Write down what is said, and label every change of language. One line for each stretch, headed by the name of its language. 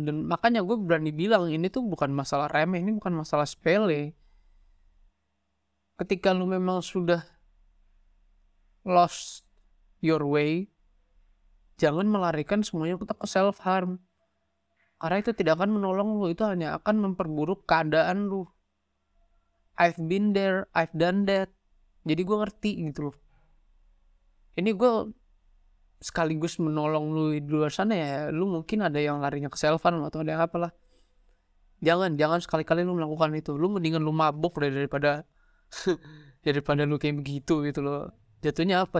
Indonesian: Dan makanya gue berani bilang ini tuh bukan masalah remeh, ini bukan masalah sepele. Ketika lu memang sudah
English: lost your way,
Indonesian: jangan melarikan semuanya tetap ke self-harm. Karena itu tidak akan menolong lu, itu hanya akan memperburuk keadaan lu.
English: I've been there, I've done that.
Indonesian: Jadi gue ngerti gitu loh. Ini gue sekaligus menolong lu di luar sana ya, lu mungkin ada yang larinya ke self-harm atau ada yang apalah. Jangan sekali-kali lu melakukan itu. Lu mendingan lu mabuk daripada lu kayak begitu gitu loh. Jatuhnya apa?